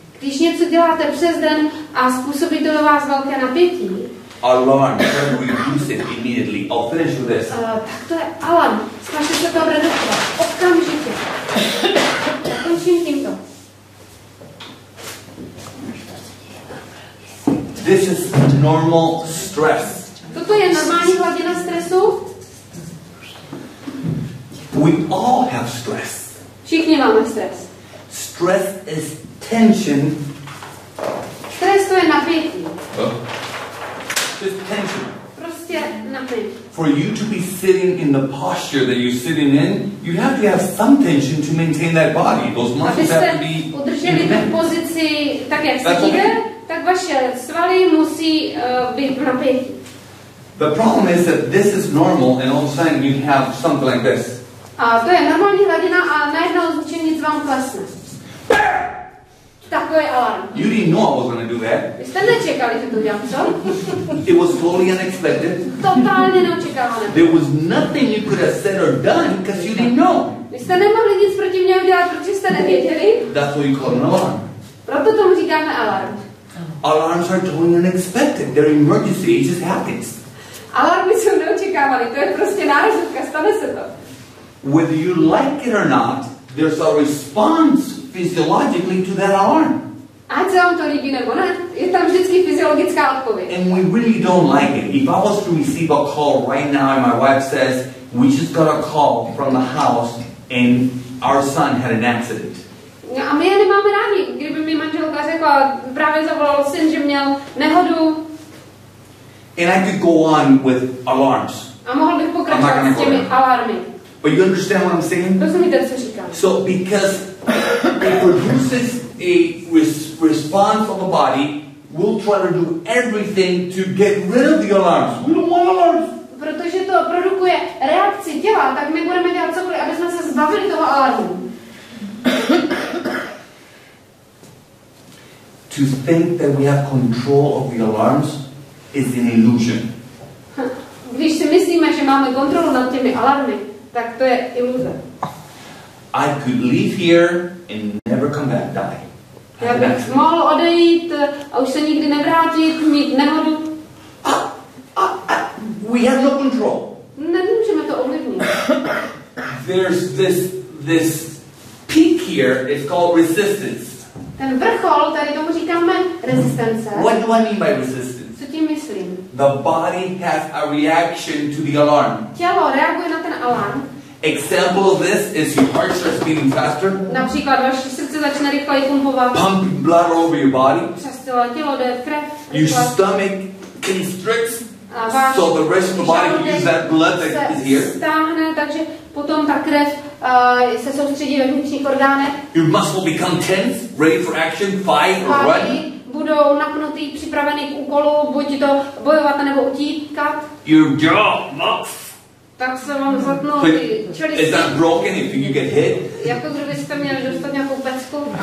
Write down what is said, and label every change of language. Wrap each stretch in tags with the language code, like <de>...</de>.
<cs>když něco děláte přes den a způsobí to do vás velké napětí,</cs> <en>alarm, try to reduce it immediately. I'll finish with this.</en> <cs>Tak to je alarm. Snažte se to redukovat. Okamžitě. Končím tímto.</cs> <en>This is normal stress.</en> <cs>Toto je normální hladina stresu?</cs> <en>We all have stress.</en> <cs>Všichni máme stres.</cs> <en>Stress is tension.</en> <cs>Stres to je napětí.</cs> <en>Just tension.</en> <cs>Prostě napětí.</cs> <en>For you to be sitting in the posture that you're sitting in, you have to have some tension to maintain that body. Those muscles have to be</en> <cs>udrženi</cs> <en>in</en> <cs>pozici, tak jak sedíte, tak vaše svaly musí být napětí.</cs> <en>The problem is that this is normal and all of a sudden you have something like this.</en> <cs>A to je normální hladina a najednou zvučí nic vám klesne. Takový alarm.</cs> <en>You didn't know I was going to do that.</en> <cs>Jste nečekali, že to dělám, co?</cs> <en>It was totally unexpected.</en> <cs>Totálně neočekávané.</cs> <en>There was nothing you could have said or done because you didn't know.</en> <cs>Vy jste nemohli nic proti mě udělat, protože jste nevěděli.</cs> <en>That's what you call an alarm.</en> <cs>Proto tomu říkáme alarm.</cs> <en>Alarms are totally unexpected. They're emergency. It just happens.</en> <cs>Alarmy jsou neočekávané. To je prostě nárazovka. Stane se to.</cs> <en>Whether you like it or not, there's a response physiologically to that alarm.</en> <cs>Ať se vám to líbí nebo ne, je tam vždycky fyziologická odpověď.</cs> <en>And we really don't like it. If I was to receive a call right now and my wife says, we just got a call from the house and our son had an accident.</en> <cs>No a my je nemáme rádi, kdyby mi manželka řekla, právě zavolal syn, že měl nehodu.</cs> <en>And I could go on with alarms.</en> <cs>A mohl bych pokračovat s těmi alarmy.</cs> <en>But you understand what I'm saying?</en> <cs>Rozumíte, co říkám.</cs> <en>So because it produces a response of the body, we'll try to do everything to get rid of the alarms. We don't want alarms.</en> <cs>Protože to produkuje reakci těla, tak my budeme dělat cokoliv, aby jsme se zbavili toho alarmu.</cs> <en>To think that we have control of the alarms is an illusion.</en> <cs>Když si myslíme, že máme kontrolu nad těmi alarmy, tak to je iluze.</cs> <en>I could leave here and never come back, die.</en> <cs>Já bych mohl odejít a už se nikdy nevrátit, mít nehodu.</cs> <en>We have no control.</en> <cs>Nemůžeme to ovlivnit.</cs> <en>There's this peak here, it's called resistance.</en> <cs>Ten vrchol, tady tomu říkáme rezistence.</cs> <en>What do I mean by resistance?</en> <cs>Co tím myslím?</cs> <en>The body has a reaction to the alarm.</en> <cs>Tělo reaguje na ten alarm.</cs> <en>Example of this is your heart starts beating faster.</en> <cs>Například vaše srdce začne rychleji pumpovat.</cs> <en>Pumping blood all over your body.</en> <cs>Přes celé tělo jde krev.</cs> <en>Your stomach constricts. So the rest of the body can use that blood that is here.</en> <cs>Stáhne, takže potom ta krev se soustředí ve vnitřních orgánech.</cs> <en>Your muscles become tense, ready for action, fight or run.</en> <cs>Budou napnutý, připravený k úkolu, buď to bojovat nebo utíkat.</cs> <en>Your jaw, mouth.</en> <cs>Tak se vám zatnou ty čelisti.</cs> <en>Is that broken if you get hit?</en> <cs>Jako kdybyste měli dostat nějakou pecku.</cs>